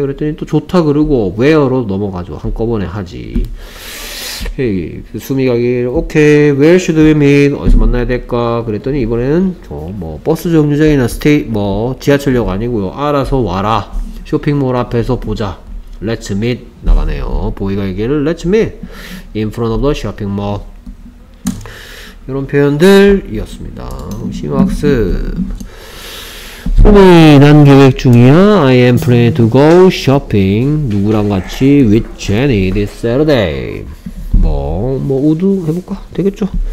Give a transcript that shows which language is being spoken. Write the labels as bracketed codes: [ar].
[ko] 그랬더니 또 좋다 그러고 where로 넘어가죠. 한꺼번에 하지. 수미가 오케이. [en] Where should we meet? [ko] 어디서 만나야 될까? 그랬더니 이번에는 저 뭐 버스 정류장이나 뭐 지하철역 아니고요. 알아서 와라. 쇼핑몰 앞에서 보자. Let's meet 나가네요. [en] 보이가 얘기를 Let's meet in front of the shopping mall. [ko] 이런 표현들이었습니다. 심학습. 오늘 난 계획 중이야. [en] I am planning to go shopping. [ko] 누구랑 같이? [en] With Jenny this Saturday. [ko] 뭐 우드 해볼까? 되겠죠?